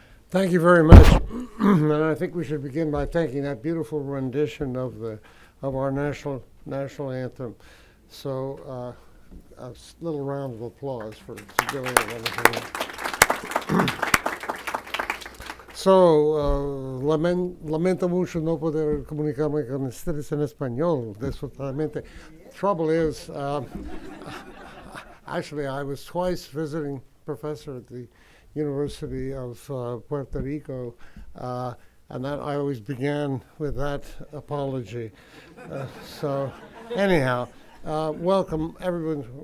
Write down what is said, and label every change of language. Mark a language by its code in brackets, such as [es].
[en] Thank you very much. And I think we should begin by thanking that beautiful rendition of the our national anthem. So a little round of applause for Billy and everything. [es] So, lamento mucho no poder comunicarme con ustedes en español, desafortunadamente. [en] Trouble is, actually, I was twice visiting professor at the University of Puerto Rico, and that I always began with that apology. So, anyhow, welcome, everyone.